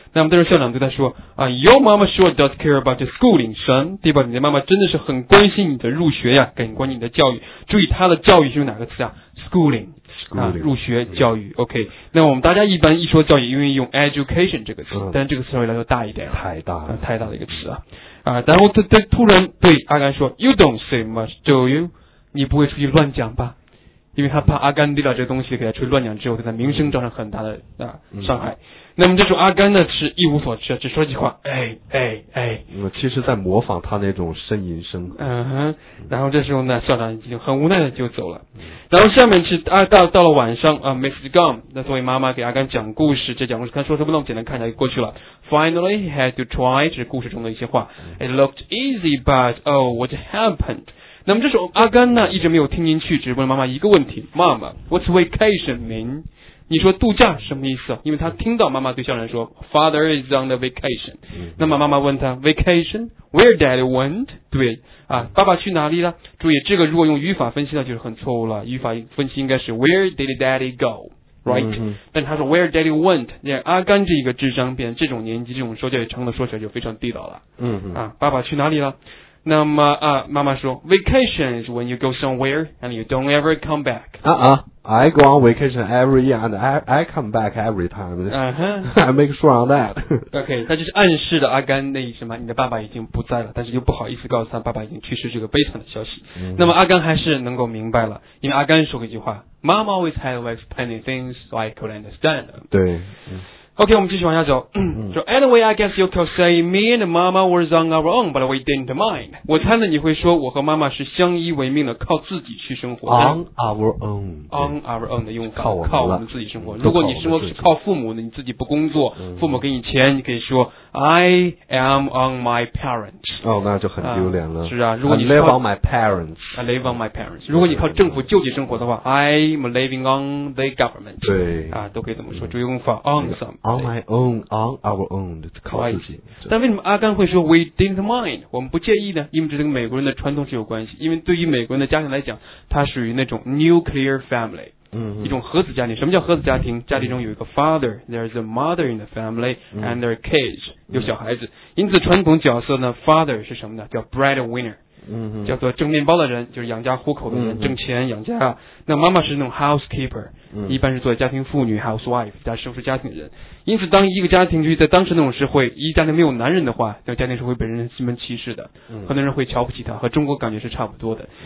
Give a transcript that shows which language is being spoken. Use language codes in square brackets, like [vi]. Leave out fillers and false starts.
[zh] 那么但是校长对他说啊 ， [en] Your mama sure does care about your schooling, [zh] son， 对吧？你的妈妈真的是很关心你的入学呀，很关心你的教育。注意他的教育是哪个词啊 ？Schooling。啊，入学教育、嗯、，OK。那我们大家一般一说教育，因为用 education 这个词，但这个词稍微来说大一点，太大了、太大的一个词啊。啊，然后他突然对阿甘说 [en] ：“You don't say much, do you？ [zh] 你不会出去乱讲吧？” 因为他怕阿甘听到这个东西，给他出去乱讲之后，对他名声造成很大的伤害。那么这时候阿甘呢是一无所知，只说一句话：“哎哎哎。嗯”其实在模仿他那种呻吟声。嗯哼。然后这时候呢，校长已经很无奈的就走了。然后下面是到了晚上啊 ，Mrs. Gum 那作为妈妈给阿甘讲故事，这讲故事他说什么呢？简单看一下就过去了。 [en] Finally, he had to try. 这是故事中的一些话。 It looked easy, but oh, what happened? [zh] 那么这时候阿甘呢一直没有听进去，只问妈妈一个问题 [en] Mama, what's vacation mean? [zh] 你说度假什么意思？因为他听到妈妈对校长说 [en] Father is on the vacation、嗯、 [zh] 那么妈妈问他 Vacation? [en] Where daddy went? [zh] 对啊，爸爸去哪里了？注意这个如果用语法分析呢就是很错误了，语法分析应该是 [en] Where did daddy go? Right?、嗯、 [zh] 但他说 [en] Where daddy went? [zh] 阿甘这个智商变这种年纪这种说教也成了，说起来就非常地道了、嗯、啊，爸爸去哪里了？ [en] 那么啊，妈妈说 ，vacation is when you go somewhere and you don't ever come back. I go on vacation every year and I come back every time. I make sure on that. [zh] OK， 那就是暗示的阿甘那什么，你的爸爸已经不在了，但是又不好意思告诉他爸爸已经去世这个悲惨的消息。 Mm-hmm. 那么阿甘还是能够明白了，因为阿甘说过一句话 [en] ，Mom always had to explain things so I could understand them. [zh] 对。 OK， 我们继续往下走。 [en] So anyway, I guess you could say me and Mama were on our own, but we didn't mind. [zh] 我猜呢，你会说我和妈妈是相依为命的，靠自己去生活。 [en] On our own. On our own [zh] 的用法，靠我们自己生活。如果你生活是靠父母的，你自己不工作，父母给你钱，你可以说 [en] I am on my parents. [zh] 哦，那就很丢脸了。是啊，如果你 [en] live on my parents， I live on my parents。 [zh] 如果你靠政府救济生活的话 ， [en] I'm living on the government。 [zh] 对啊，都可以这么说，用法 on some [en] on my own on our own 靠自己。 [zh] 但为什么阿甘会说 we didn't mind， 我们不介意呢？因为这跟美国人的传统是有关系。因为对于美国人的家庭来讲，它属于那种 nuclear family。嗯，一种核子家庭。什么叫核子家庭？家庭中有一个 [en] father， there's a mother in the family and their kids， [zh] 有小孩子。因此传统角色呢， father 是什么呢？叫 breadwinner， 叫做挣面包的人，就是养家糊口的人，挣钱养家。那妈妈是那种 housekeeper， 一般是做家庭妇女 housewife， 家收拾家庭的人。因此当一个家庭就在当时那种社会，一家庭没有男人的话，那家庭是会被人心门歧视的，很多人会瞧不起他，和中国感觉是差不多的。